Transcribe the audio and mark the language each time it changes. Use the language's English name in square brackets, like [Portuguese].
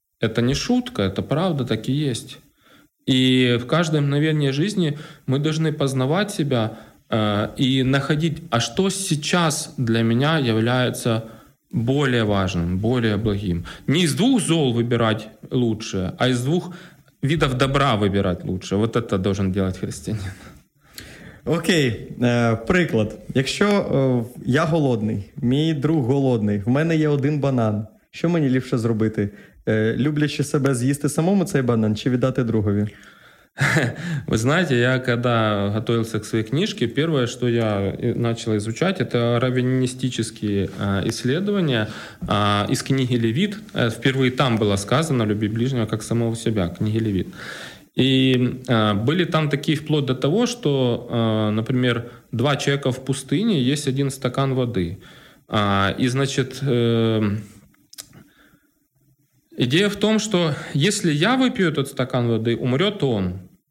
[Russian] Это не шутка, это правда, так и есть. И в каждое мгновение жизни мы должны познавать себя и находить, а что сейчас для меня является более важным, более благим. Не из двух зол выбирать лучшее, а из двух видов добра выбирать лучшее. Вот это должен делать христианин. [Ukrainian] Окей, приклад. Якщо я голодний, мій друг голодний, в мене є один банан, що мені ліпше зробити? Люблячи себе, з'їсти самому цей банан чи віддати другові? Ви знаєте, я коли готувався до своєї книжки, перше, що я почав изучати, це раввіністичні дослідження із книги Левіт. Вперше там було сказано «Люби ближнього, як самого себе», книги Левіт. [Russian] И были там такие вплоть до того, что, например, два человека в пустыне, есть один стакан воды. И, значит, идея в том, что если я выпью этот стакан воды, умрет он.